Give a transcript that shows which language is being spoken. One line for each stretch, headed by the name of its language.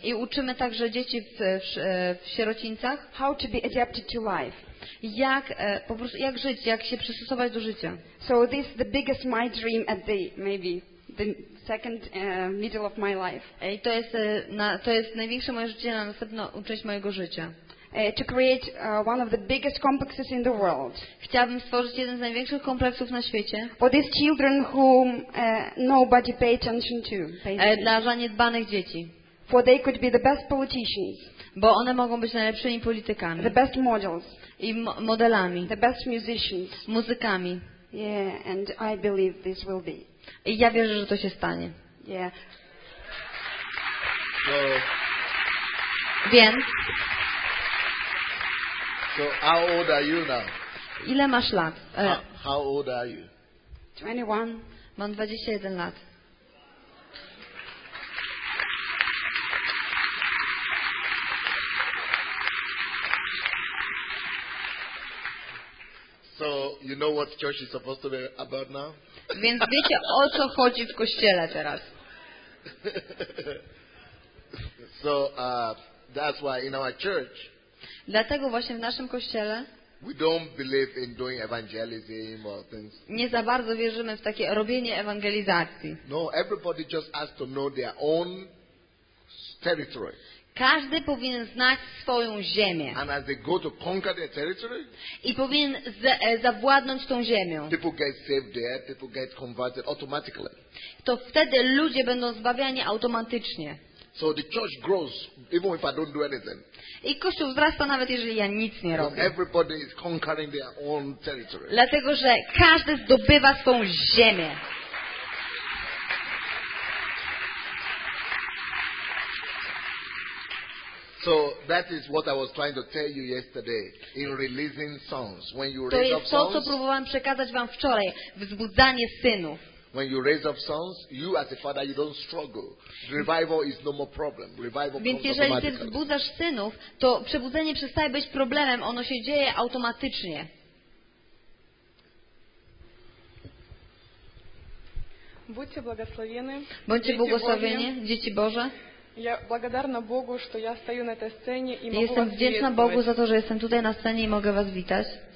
Polish: I uczymy także dzieci w sierocińcach.
English: How to be adapted to life.
Polish: Jak po prostu jak żyć, jak się przystosować do życia.
English: So this is the biggest my dream at the maybe the second middle of my life.
Polish: I to jest to jest największe moje życie na następną część mojego życia.
English: To create one of the biggest complexes in the world.
Polish: Chciałabym stworzyć jeden z największych kompleksów na świecie.
English: For these children whom nobody pay attention to.
Polish: Dla zaniedbanych dzieci.
English: For they could be the best politicians.
Polish: Bo one mogą być najlepszymi politykami.
English: The best models.
Polish: I modelami.
English: The best musicians.
Polish: Muzykami.
English: Yeah, and I believe this will be.
Polish: I ja wierzę, że to się stanie. Yeah. So. Więc.
English: So how old are you now?
Polish: Ile masz lat?
English: How old are you? 21.
Polish: Mam 21 lat.
English: So you know what church is supposed to be about now?
Polish: Więc wiecie, o co chodzi w kościele teraz?
English: So that's why in our church.
Polish: Dlatego właśnie w naszym kościele
English: we don't believe in doing evangelism or things.
Polish: Nie za bardzo wierzymy w takie robienie ewangelizacji.
English: No, everybody just has to know their own territory.
Polish: Każdy powinien znać swoją ziemię.
English: And as they go to conquer their territory,
Polish: i powinien zawładnąć tą ziemią.
English: People get saved there, people get converted automatically.
Polish: To wtedy ludzie będą zbawiani automatycznie.
English: So the church grows even if I don't do anything.
Polish: I Kościół wzrasta nawet jeżeli ja nic nie robię.
English: Because everybody is conquering their own territory.
Polish: Dlatego że każdy zdobywa swą ziemię.
English: So that is what I was trying to tell you yesterday in releasing sons. When you raise up sons.
Polish: To jest to, co próbowałem przekazać wam wczoraj, wzbudzanie synów.
English: When you raise up sons, you as a father, you don't struggle. Revival is no more problem. Revival comes automatically.
Polish: Więc jeżeli ty wzbudzasz synów, to przebudzenie przestaje być problemem. Ono się dzieje automatycznie.
Russian: Будьте благословены.
Polish: Bądźcie błogosławieni, dzieci Boże.
Russian: Я благодарна Богу, что я стою на этой сцене и могу вас.
Polish: Jestem wdzięczna Bogu za to, że jestem tutaj na scenie i mogę was witać.